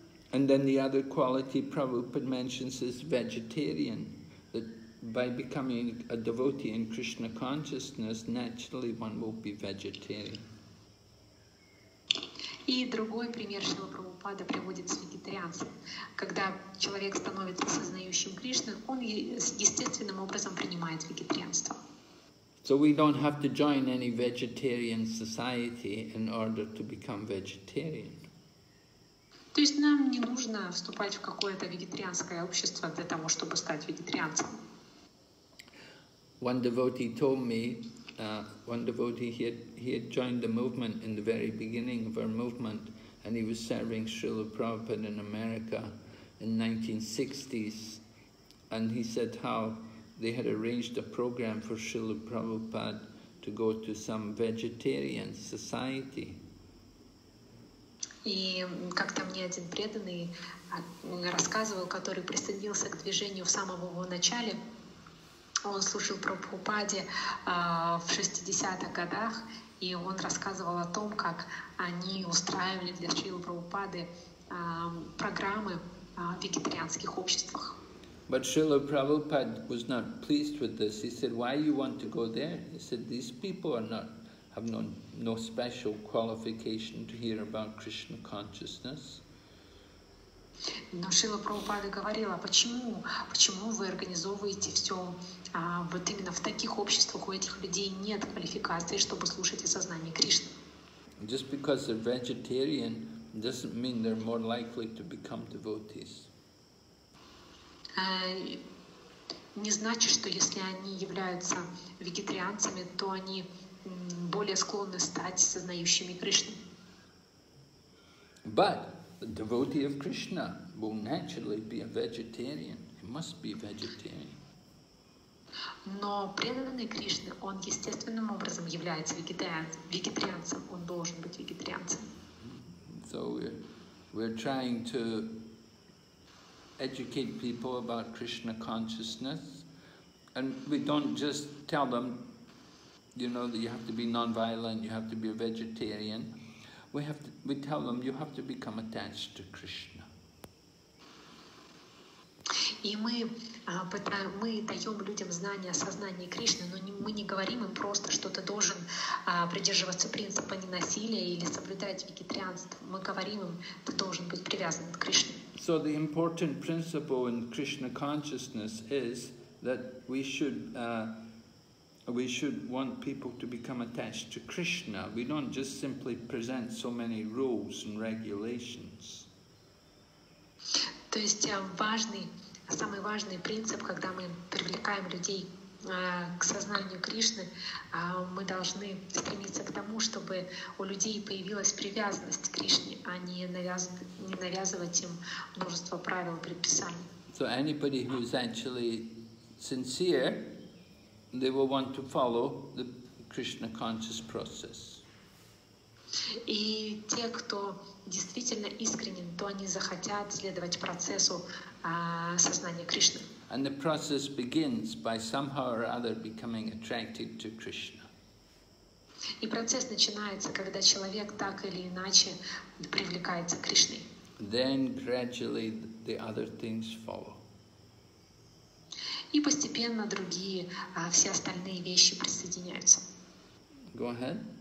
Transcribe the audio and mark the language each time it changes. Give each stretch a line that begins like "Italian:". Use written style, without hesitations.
English: And then the other quality Prabhupada mentions is vegetarian, that by becoming a devotee in Krishna consciousness, naturally one will be vegetarian.
Russian: И другой пример, что Прабхупада приводит с вегетарианцем. Когда человек становится сознающим Кришну, он естественным образом принимает вегетарианство.
English: So we don't have to join any vegetarian society in order to become vegetarian.
Russian: То есть нам не нужно вступать в какое-то вегетарианское общество для того, чтобы стать вегетарианцем.
English: One devotee told me, one devotee had joined the movement in the very beginning of our movement, and he was serving Srila Prabhupada in America in 1960s, and he said how they had arranged a program for Srila Prabhupada to go to some vegetarian society.
Russian: И как-то мне один преданный рассказывал, который присоединился к движению в самом его начале. Он служил Прабхупаде в 60-х годах, и он рассказывал о том, как они устраивали для Шрилы Прабхупады программы в вегетарианских обществах.
English: But Srila Prabhupada was not pleased with this. He said, why you want to go there? He said, these people are not, have no special qualification to hear about Krishna consciousness.
Russian: Но Шрила Прабхупада говорила, почему вы организовываете все вот именно в таких обществах, у этих людей нет квалификации, чтобы слушать о сознании Кришны.
English: Just because they're vegetarian doesn't mean they're more likely to become devotees.
Russian: Не значит, что если они являются вегетарианцами, то они более склонны стать сознающими Кришну.
English: But a devotee of Krishna will naturally be a vegetarian. He must be a vegetarian.
Russian: Но преданный Кришне, он естественным образом является вегетарианцем. Он должен быть вегетарианцем.
English: So we're trying to educate people about Krishna consciousness, and we don't just tell them, you know, that you have to be non-violent, you have to be a vegetarian. We tell them you have to become attached to Krishna.
Russian: И мы даем людям знания о сознании Кришны, но мы не говорим им просто, что ты должен придерживаться принципа ненасилия или соблюдать вегетарианство. Мы говорим им, ты должен быть привязан к Кришне.
English: So the important principle in Krishna consciousness is that we should want people to become attached to Krishna. We don't just simply present so many rules and regulations.
Russian: То есть самый важный принцип, когда мы привлекаем людей к сознанию Кришны, мы должны стремиться к тому, чтобы у людей появилась привязанность к Кришне, а не навязывать им множество правил и предписаний.
English: So anybody who is actually sincere, they will want to follow the Krishna conscious process.
Russian: И те, кто действительно искренен, то они захотят следовать процессу сознания Кришны.
English: And the process begins by somehow or other becoming attracted to Krishna.
Russian: И процесс начинается, когда человек так или иначе привлекается к Кришне.
English: Then gradually the other things follow.
Russian: И постепенно другие, все остальные вещи присоединяются.
English: Go ahead.